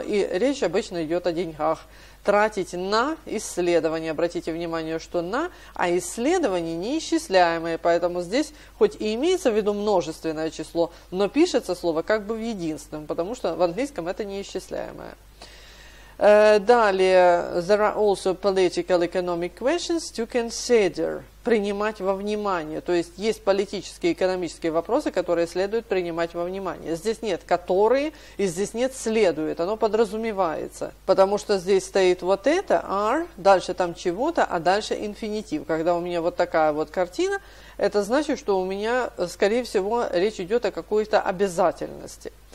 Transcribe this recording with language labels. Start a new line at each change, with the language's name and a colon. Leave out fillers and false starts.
Russian: И речь обычно идет о деньгах. Тратить на исследование. Обратите внимание, что на, а исследования неисчисляемые. Поэтому здесь хоть и имеется в виду множественное число, но пишется слово как бы в единственном, потому что в английском это неисчисляемое. Далее,
English: there are also political economic questions to consider.
Russian: Принимать во внимание. То есть есть политические и экономические вопросы, которые следует принимать во внимание. Здесь нет «которые» и здесь нет «следует». Оно подразумевается. Потому что здесь стоит вот это «are», дальше там чего-то, а дальше инфинитив. Когда у меня вот такая вот картина, это значит, что у меня, скорее всего, речь идет о какой-то обязательности.